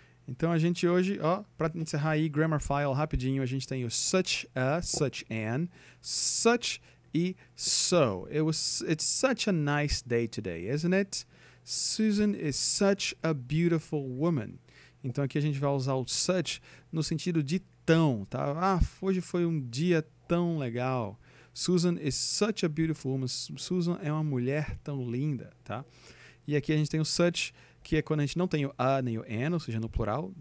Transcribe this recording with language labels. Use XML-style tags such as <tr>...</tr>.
<pt>Então, a gente hoje, ó, para encerrar aí, grammar file rapidinho, a gente tem o such a, such an, such e so.</pt> <en>It's such a nice day today, isn't it? Susan is such a beautiful woman.</en> <pt>Então, aqui a gente vai usar o such no sentido de tão, tá? Ah, hoje foi um dia tão legal.</pt> <en>Susan is such a beautiful woman.</en> <pt>Susan é uma mulher tão linda, tá? E aqui a gente tem o such, que é quando a gente não tem o a nem o an, ou seja, no plural.</pt>